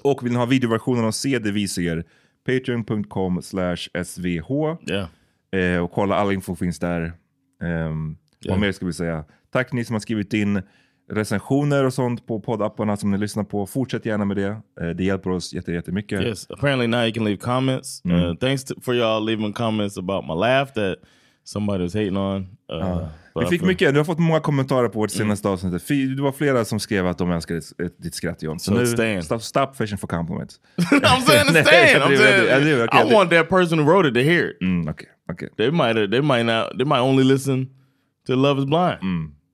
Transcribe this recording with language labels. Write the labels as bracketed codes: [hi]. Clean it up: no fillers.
[sv] Och vill ni ha videoversionen och se det vi ser, patreon.com/svh. Och kolla, all info finns där. Vad mer ska vi säga? Tack ni som har skrivit in recensioner och sånt på poddapparna som ni lyssnar på. Fortsätt gärna med det. Det hjälper oss jättemycket. [en] Yes, apparently now you can leave comments. Thanks for y'all leaving comments about my laugh that somebody was hating on. [sv] Vi fick mycket. Du har fått många kommentarer på vårt senaste avsnitt. Det var flera som skrev att de älskade ditt skratt, John. So nu, [en] stop fishing for compliments. I'm saying the stand. I want that person who wrote it to hear it. Okay. They might only listen to Love Is Blind.